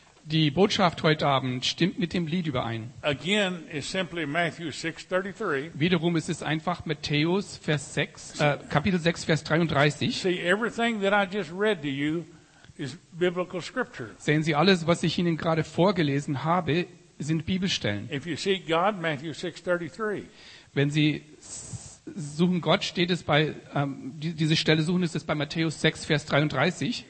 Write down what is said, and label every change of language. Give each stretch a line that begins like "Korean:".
German: Die Botschaft heute Abend stimmt mit dem Lied überein.
English: Again, it's simply Matthew 6:33.
German: Wiederum ist es einfach Matthäus Vers 6, Kapitel 6, Vers 33.
English: See, everything that I just read to you is biblical scripture.
German: Sehen Sie, alles, was ich Ihnen gerade vorgelesen habe, sind Bibelstellen.
English: If you seek God, Matthew 6:33.
German: Wenn Sie suchen Gott, steht es bei diese Stelle suchen ist es bei Matthäus 6, Vers 33.